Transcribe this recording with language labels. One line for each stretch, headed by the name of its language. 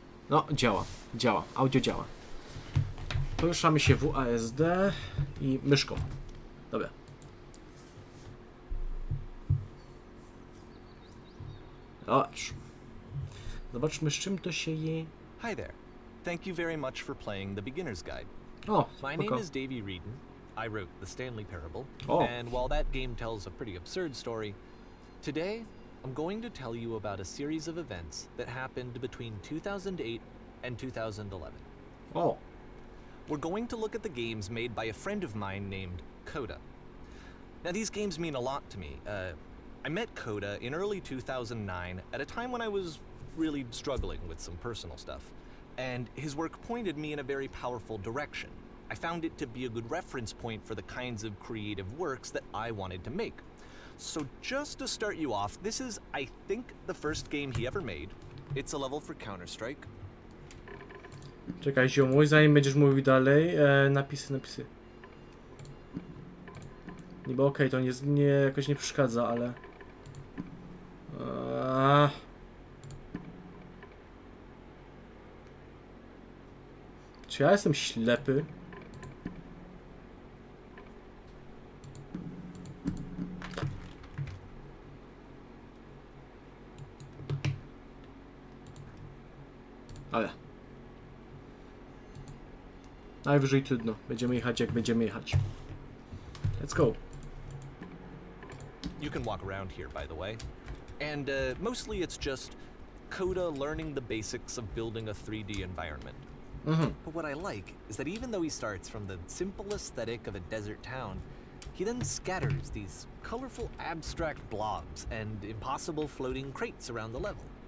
Polish: No, działa. Audio działa. Poruszamy się w ASD i myszką. Dobra. Zobaczmy, z czym to się je.
English: Hi there. Thank you very much for playing the Beginner's Guide. Oh, my name is Davey Reedon. I wrote the Stanley Parable. Oh. And while that game tells a pretty absurd story, today I'm going to tell you about a series of events that happened between 2008 and 2011. Oh. We're going to look at the games made by a friend of mine named Coda. Now, these games mean a lot to me. I met Coda in early 2009 at a time when I was really struggling with some personal stuff. And his work pointed me in a very powerful direction. I found it to be a good reference point for the kinds of creative works that I wanted to make. So just to start you off, this is, I think, the first game he ever made. It's a level for Counter-Strike.
Polish: Czekaj, ziomuj, zanim będziesz mówił dalej, napisy. Niby okej, to nie jakoś nie przeszkadza, ale... Czy ja jestem ślepy? Najwyżej trudno. Będziemy jechać, jak będziemy jechać.
English: Let's go. You can walk around here, by the way. And mostly it's just Coda learning the basics of building a 3D environment. Mm-hmm. But what I like is that even though he starts from the simple aesthetic of a desert town, he then scatters these colorful abstract blobs and impossible floating crates around the level.